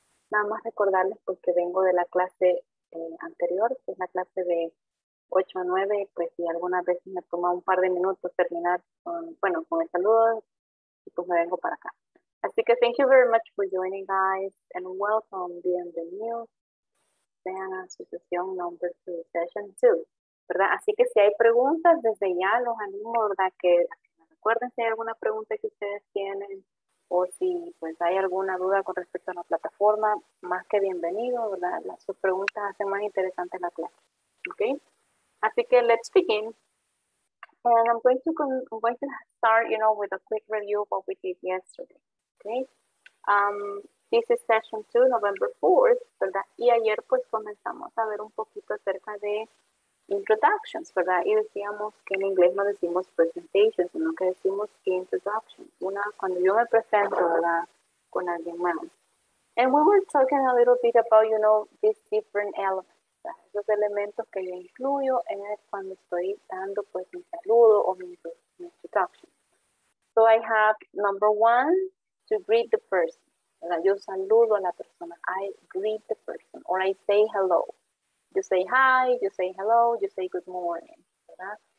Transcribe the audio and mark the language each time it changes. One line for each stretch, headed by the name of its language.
Spanish: Nada más recordarles pues, que vengo de la clase anterior, que es la clase de 8 a 9, pues si algunas veces me toma un par de minutos terminar con, bueno, con el saludo, pues me vengo para acá. Así que
English: thank you very much for joining, guys, and welcome,
Spanish: bienvenidos. Sean a su sesión
English: number 2, session 2,
Spanish: ¿verdad? Así que si hay preguntas, desde ya los animo, ¿verdad? Que recuerden si hay alguna pregunta que ustedes tienen o si pues, hay alguna duda con respecto a la plataforma, más que bienvenido, ¿verdad? Sus preguntas hacen más interesante la clase. ¿Okay? Así que,
English: let's begin. And I'm going to start, with a quick review of what we did yesterday. ¿Okay? This is session 2, November 4th,
Spanish: ¿verdad? Y ayer pues comenzamos a ver un poquito acerca de introductions, ¿verdad? Y decíamos que en inglés no decimos presentations, sino que decimos introductions. Una, cuando yo me presento, ¿verdad? Con alguien más.
English: And we were talking a little bit about, these different elements,
Spanish: ¿verdad? Esos elementos que yo incluyo en el cuando estoy dando, pues, mi saludo o mi introduction.
English: So I have number one, to greet the person,
Spanish: ¿verdad? Yo saludo a la persona.
English: I greet the person or I say hello. You say hi, you say hello, you say good morning,
Spanish: ¿verdad?